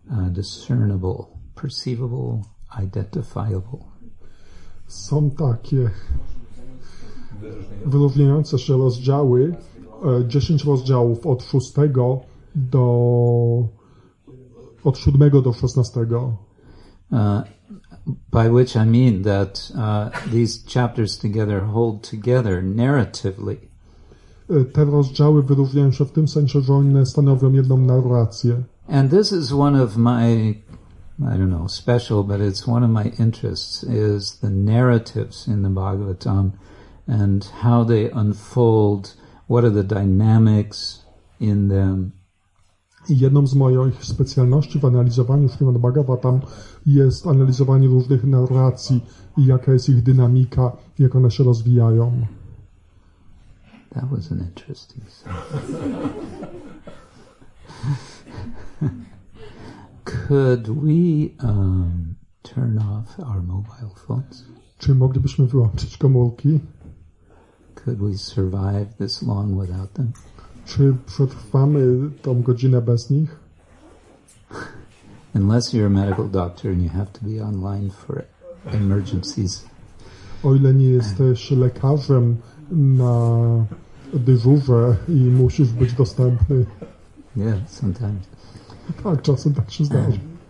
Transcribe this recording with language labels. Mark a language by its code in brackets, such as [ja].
[en] Discernible, perceivable, identifiable. [pl] Są takie wyróżniające się rozdziały, 10 rozdziałów od 6 do od 7 do 16. [en] By which I mean that these chapters together hold together narratively. [pl] Te rozdziały wyróżniają się w tym sensie, że one stanowią jedną narrację. [en] And this is one of my, I don't know, special, but it's one of my interests, is the narratives in the Bhagavatam and how they unfold, what are the dynamics in them. [pl] Jedną z moich specjalności w analizowaniu Śrimad Bhagavatam jest analizowanie różnych narracji i jaka jest ich dynamika, jak one się rozwijają. [en] That was an interesting sentence. Could we turn off our mobile phones? [pl] Czy moglibyśmy wyłączyć komórki? [en] Could we survive this long without them? [pl] Czy przetrwamy tą godzinę bez nich? [en] Unless you're a medical doctor and you have to be online for emergencies. [pl] O ile nie jesteś lekarzem na dyżurze i musisz być dostępny. [en] Yeah, sometimes. [pl] Tak, czasem tak się zdarzy.